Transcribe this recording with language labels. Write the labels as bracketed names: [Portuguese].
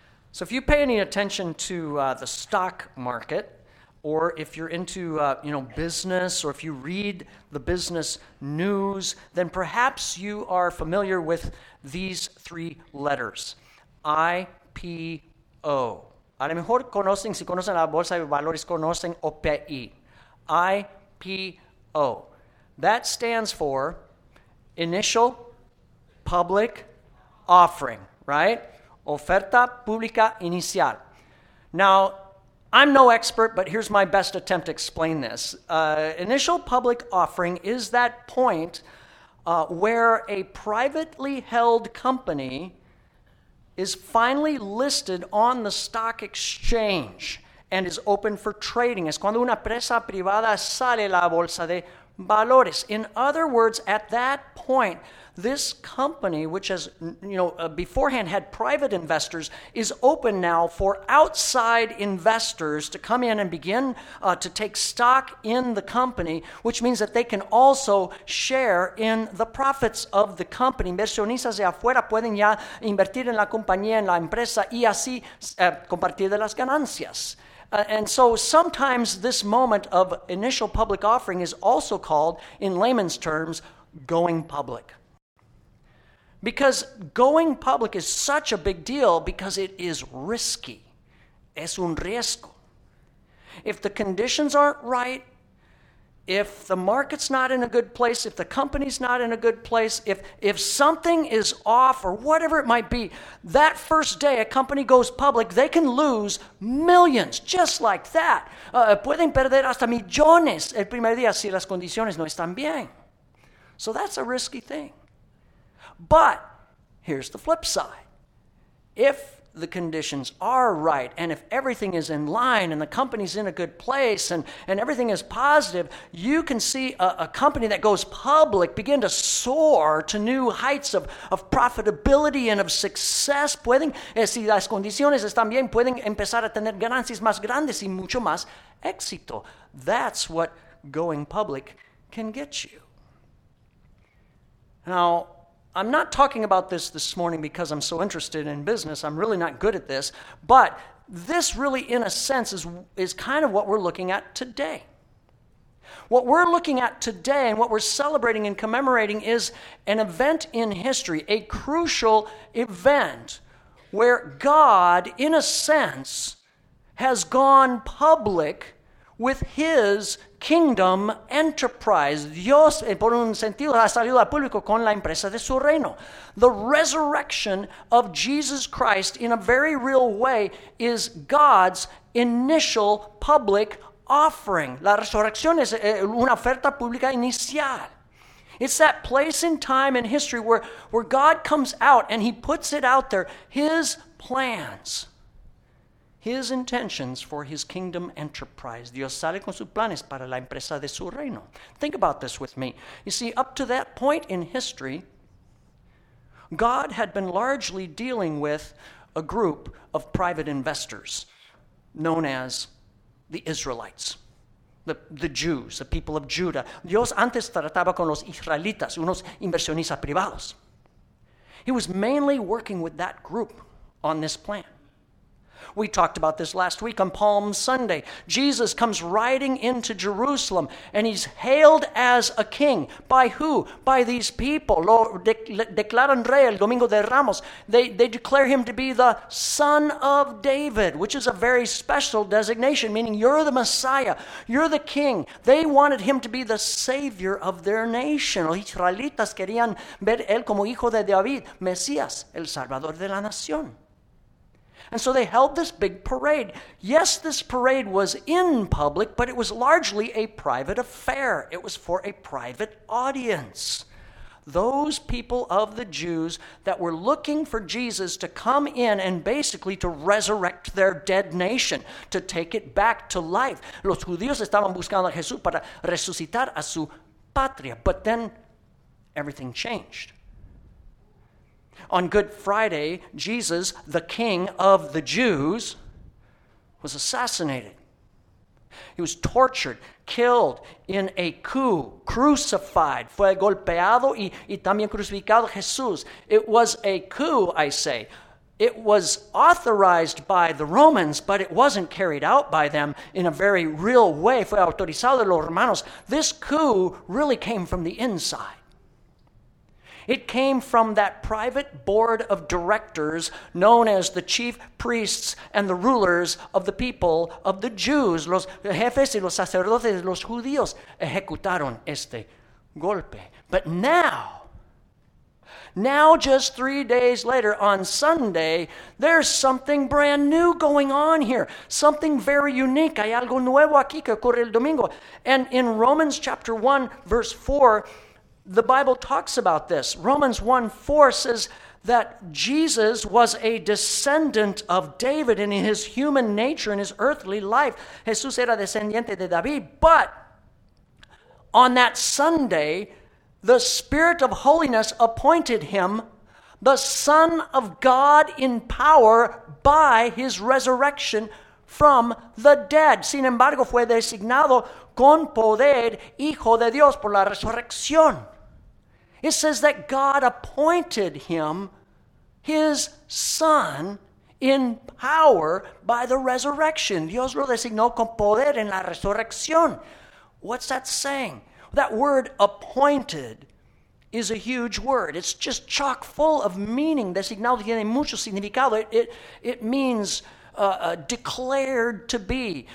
[English] So if you pay any attention to the stock market, or if you're into business, or if you read the business news, then perhaps you are familiar with these three letters, IPO. [Spanish] A lo mejor conocen, si conocen la bolsa de valores, conocen OPI. [English] IPO. That stands for Initial Public Offering, right? [Spanish] Oferta pública inicial. [English] Now, I'm no expert, but here's my best attempt to explain this. Initial public offering is that point where a privately held company is finally listed on the stock exchange and is open for trading. [Spanish] Es cuando una empresa privada sale la bolsa de valores. [English] In other words, at that point, this company, which has, you know, beforehand had private investors, is open now for outside investors to come in and begin to take stock in the company, which means that they can also share in the profits of the company. [Spanish] Inversionistas de afuera pueden ya invertir en la compañía, en la empresa, y así compartir de las ganancias. [English] And so sometimes this moment of initial public offering is also called, in layman's terms, going public. Because going public is such a big deal because it is risky. [Spanish] Es un riesgo. [English] If the conditions aren't right, if the market's not in a good place, if the company's not in a good place, if something is off or whatever it might be, that first day a company goes public, they can lose millions just like that. [Spanish] Pueden perder hasta millones el primer día si las condiciones no están bien. [English] So that's a risky thing. But here's the flip side. If the conditions are right, and if everything is in line and the company's in a good place and everything is positive, you can see a company that goes public begin to soar to new heights of profitability and of success. [Spanish] Pueden, si las condiciones están bien, pueden empezar a tener ganancias más grandes y mucho más éxito. [English] That's what going public can get you. Now, I'm not talking about this morning because I'm so interested in business. I'm really not good at this. But this really, in a sense, is kind of what we're looking at today. What we're looking at today and what we're celebrating and commemorating is an event in history, a crucial event where God, in a sense, has gone public with his kingdom enterprise. [Spanish] Dios, por un sentido, ha salido al público con la empresa de su reino. [English] The resurrection of Jesus Christ in a very real way is God's initial public offering. [Spanish] La resurrección es una oferta pública inicial. [English] It's that place in time and history where God comes out and he puts it out there, his plans, his intentions for his kingdom enterprise. [Spanish] Dios sale con sus planes para la empresa de su reino. [English] Think about this with me. You see, up to that point in history, God had been largely dealing with a group of private investors known as the Israelites, the Jews, the people of Judah. [Spanish] Dios antes trataba con los israelitas, unos inversionistas privados. [English] He was mainly working with that group on this plan. We talked about this last week on Palm Sunday. Jesus comes riding into Jerusalem, and he's hailed as a king. By who? By these people. [Spanish] Lo declaran rey el Domingo de Ramos. [English] They declare him to be the Son of David, which is a very special designation, meaning you're the Messiah. You're the king. They wanted him to be the savior of their nation. [Spanish] Los israelitas querían ver él como hijo de David, Mesías, el Salvador de la nación. [English] And so they held this big parade. Yes, this parade was in public, but it was largely a private affair. It was for a private audience. Those people of the Jews that were looking for Jesus to come in and basically to resurrect their dead nation, to take it back to life. [Spanish] Los judíos estaban buscando a Jesús para resucitar a su patria. [English] But then everything changed. On Good Friday, Jesus, the King of the Jews, was assassinated. He was tortured, killed in a coup, crucified. [Spanish] Fue golpeado y también crucificado Jesús. [English] It was a coup, I say. It was authorized by the Romans, but it wasn't carried out by them in a very real way. [Spanish] Fue autorizado de los romanos. [English] This coup really came from the inside. It came from that private board of directors known as the chief priests and the rulers of the people of the Jews. [Spanish] Los jefes y los sacerdotes, los judíos, ejecutaron este golpe. [English] But now just 3 days later on Sunday, there's something brand new going on here. Something very unique. [Spanish] Hay algo nuevo aquí que ocurre el domingo. [English] And in Romans chapter 1, verse 4, the Bible talks about this. Romans 1:4 says that Jesus was a descendant of David in his human nature, in his earthly life. [Spanish] Jesús era descendiente de David, [English] but on that Sunday, the Spirit of Holiness appointed him the Son of God in power by his resurrection from the dead. [Spanish] Sin embargo, fue designado con poder Hijo de Dios por la resurrección. [English] It says that God appointed him his Son in power by the resurrection. [Spanish] Dios lo designó con poder en la resurrección. [English] What's that saying? That word appointed is a huge word. It's just chock full of meaning. [Spanish] Designado tiene mucho significado. [English] It means declared to be.